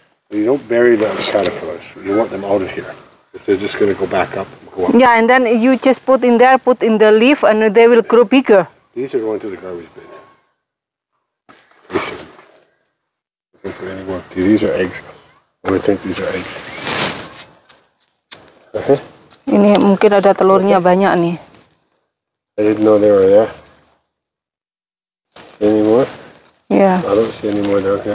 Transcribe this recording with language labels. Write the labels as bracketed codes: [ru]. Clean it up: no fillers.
[en] You don't bury the caterpillars. You want them out of here. Because they're just going to go back up and go up. Yeah, and then you just put in there, put in the leaf, and they will grow bigger. These are going to the garbage bin. Listen. Looking for any more. See, these are eggs. I would think these are eggs. [id] Ini mungkin ada telurnya banyak nih. [en] I didn't know they were there. Any more? Yeah. I don't see any more down here.